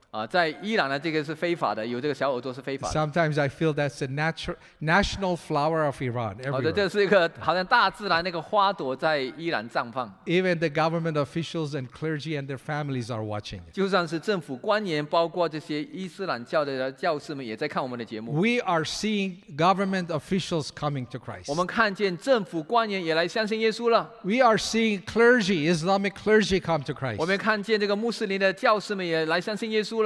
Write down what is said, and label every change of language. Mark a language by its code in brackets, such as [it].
[zh] 在伊朗呢，这个是非法的，有这个小耳朵是非法的。 [en] Sometimes I feel that's the national flower of Iran. [zh] 好的，这是一个好像大自然那个花朵在伊朗绽放。 [en] Even the government officials and clergy and their families are watching. [zh] 就算是政府官员，包括这些伊斯兰教的教士们，也在看我们的节目。 [en] We are seeing government officials coming to Christ. [zh] 我们看见政府官员也来相信耶稣了。 [en] We are seeing clergy, Islamic clergy, come to Christ. [zh] 我们看见这个穆斯林的教士们也来相信耶稣了。